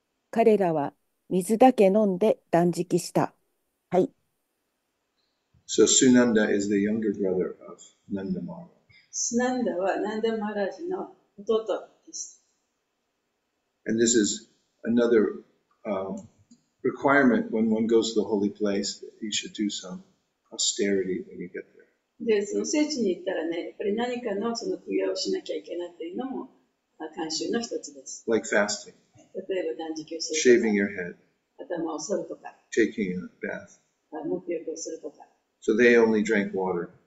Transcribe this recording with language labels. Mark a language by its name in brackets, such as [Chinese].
[Japanese] 彼らは水だけ飲んで断食した。はい。 [English] So Sunanda is the younger brother of Nandamara. [Japanese] スナンダはナンダマラジの弟です。 [English] And this is another requirement when one goes to the holy place, you should do some austerity when you get there. [Japanese] で、その聖地に行ったらね、やっぱり何かのその供養をしなきゃいけないっていうのも慣習の一つです。 [English] Like fasting. [Japanese] 例えば断食をする。 [English] Shaving your head. [Japanese] 頭を剃るとか。 [English] Taking a bath. [Japanese] 沐浴をするとか。 [English] So they only drank water.